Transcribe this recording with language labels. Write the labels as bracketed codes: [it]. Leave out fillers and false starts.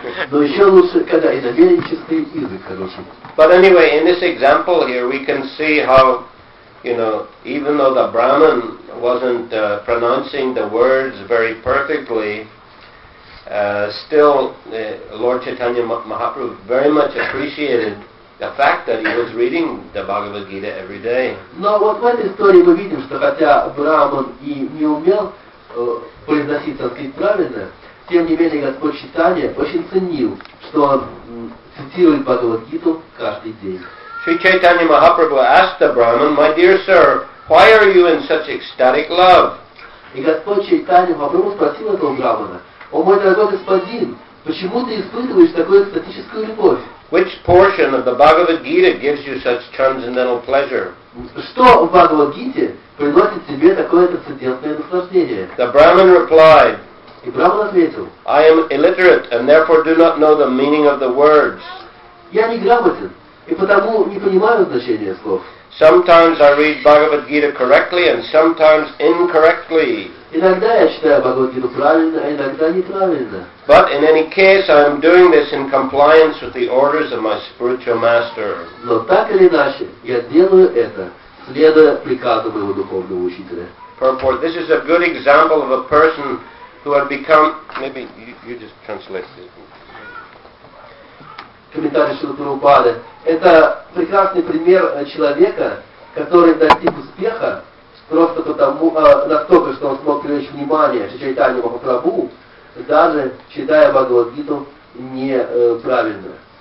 [ru] Но еще лучше, когда и намерение чистое, и язык хороший. [en] But anyway, in this example here, we can see how, you know, even though the Brahman wasn't pronouncing the words very perfectly, still Lord Chaitanya Mahaprabhu very much appreciated the fact that he was reading the Bhagavad Gita every day. [ru] Но вот в этой истории мы видим, что хотя Брахман и не умел произносить санскрит правильно, тем не менее Господь Читания очень ценил, что он цитирует Бхагавад Гиту каждый день. [en] Sri Chaitanya Mahaprabhu asked the Brahman, "My dear sir, why are you in such ecstatic love?" [ru] И Господь Читания Махапрабху спросил этого Брахмана: "О мой дорогой господин, почему ты испытываешь такую экстатическую любовь?" [en] Which portion of the Bhagavad Gita gives you such transcendental pleasure? [ru] Что в Бхагавад Гите приносит тебе такое трансцендентное наслаждение? [en] The Brahman replied, [ru] и Брахман ответил, [en] I am illiterate and therefore do not know the meaning of the words. [ru] Я неграмотен и потому не понимаю значения слов. [en] Sometimes I read Bhagavad Gita correctly and sometimes incorrectly. [ru] Иногда я читаю Бхагавад Гиту правильно, а иногда неправильно. [en] But in any case, I am doing this in compliance with the orders of my spiritual master. [ru] Но так или иначе, я делаю это в следуя приказу моего духовного учителя. [en] Purport. This is a good example of a person who had become... Maybe you just translate this. [ru] Комментарий Шрилы Прабхупады. Это прекрасный пример человека, который достиг успеха просто потому, настолько, что он смог привлечь внимание Шичайтанья Махапрабху, даже читая Бхагавад-гиту неправильно.